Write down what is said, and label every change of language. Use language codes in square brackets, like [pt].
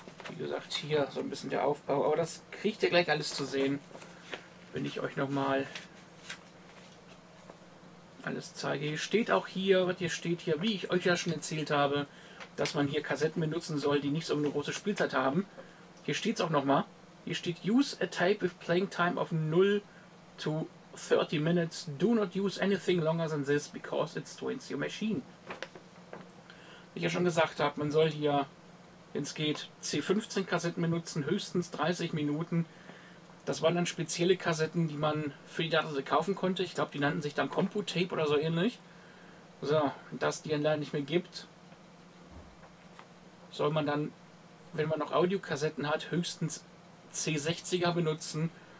[de] Wie gesagt, hier so ein bisschen der Aufbau. Aber das kriegt ihr gleich alles zu sehen, wenn ich euch nochmal alles zeige. Steht auch hier, was hier steht hier, wie ich euch ja schon erzählt habe, dass man hier Kassetten benutzen soll, die nicht so eine große Spielzeit haben. Hier steht es auch nochmal. Hier steht: [en] Use a tape with playing time of 0 to 30 minutes. Do not use anything longer than this because it strains your machine. [de] Wie ich ja schon gesagt habe, man soll hier, wenn es geht, C15-Kassetten benutzen, höchstens 30 Minuten. Das waren dann spezielle Kassetten, die man für die Datasette kaufen konnte. Ich glaube, die nannten sich dann Compu-Tape oder so ähnlich. So, dass die dann leider nicht mehr gibt, soll man dann, wenn man noch Audiokassetten hat, höchstens C60er benutzen.